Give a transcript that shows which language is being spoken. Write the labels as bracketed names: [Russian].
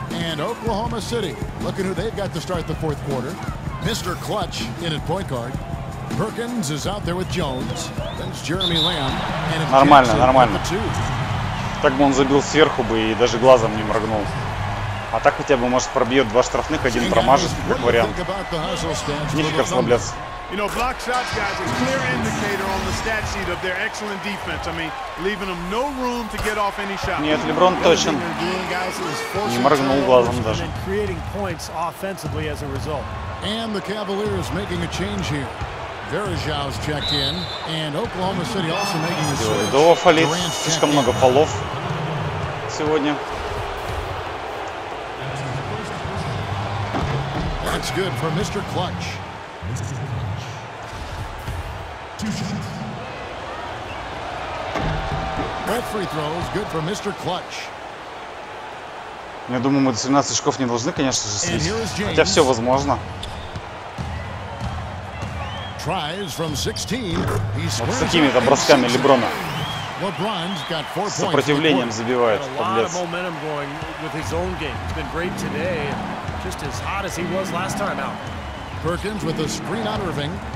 [English] And Oklahoma City, look at who they've got to start the fourth quarter. Mr. Clutch in at point guard. Perkins is out there with Jones. That's Jeremy Lamb. And if [Russian] нормально, Jackson, нормально. Так бы он забил сверху бы и даже глазом не моргнул. А так хотя бы, может, пробьет два штрафных, один промажет, как вариант. Нифига расслабляться. [English] You know, block shots, guys, a clear indicator on the stat sheet of their excellent defense. I mean, leaving them no room to get off any shot. [Russian] Нет, Леброн точен. Не моргнул глазом даже. [English] And creating points offensively as a result. And the Cavaliers making a change here. Varejao's checked in, and Oklahoma City also making a switch. [Russian] Дуо фолит. Слишком много фолов сегодня. [English] That's good for Mr. Clutch. That free throw is good for Mr. Clutch. [Russian] Я думаю, мы до 17 очков не должны, конечно же, слить. Хотя все возможно. [English] Tries from 16. [Russian] Вот с такими-то бросками Леброна. [English] LeBron's got 4 points. [Russian] Сопротивлением забивает, подлец. [English] Momentum going with his own game. It's been great today. Just as hot as he was last time out. Perkins with a screen on Irving.